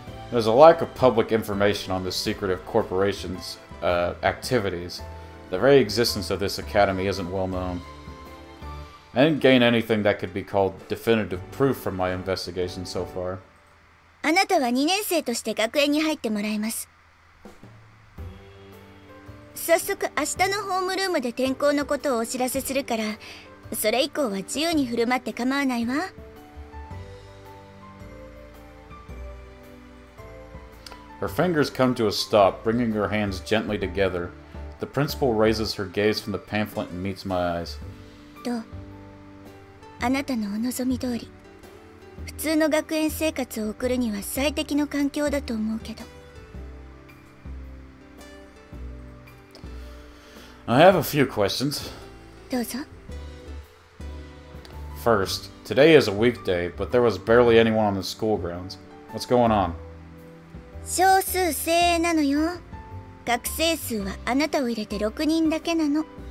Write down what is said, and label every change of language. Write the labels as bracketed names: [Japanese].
[English] There's a lack of public information on the secretive corporation's activities. The very existence of this academy isn't well known. I didn't gain anything that could be called definitive proof from my investigation so far. [Japanese] あなたは2年生として学園に入ってもらいます。早速明日のホームルームで転校のことをお知らせするから、それ以降は自由に振る舞って構わないわ。 [English] Her fingers come to a stop, bringing her hands gently together. The principal raises her gaze from the pamphlet and meets my eyes. [Japanese] どう？あなたのお望み通り。普通の学園生活を送るには最適の環境だと思うけど。 [English] I have a few questions. [Japanese] どうぞ。 [English] First, today is a weekday, but there was barely anyone on the school grounds. What's going on? [Japanese] 少数精鋭なのよ。学生数はあなたを入れて6人だけなの。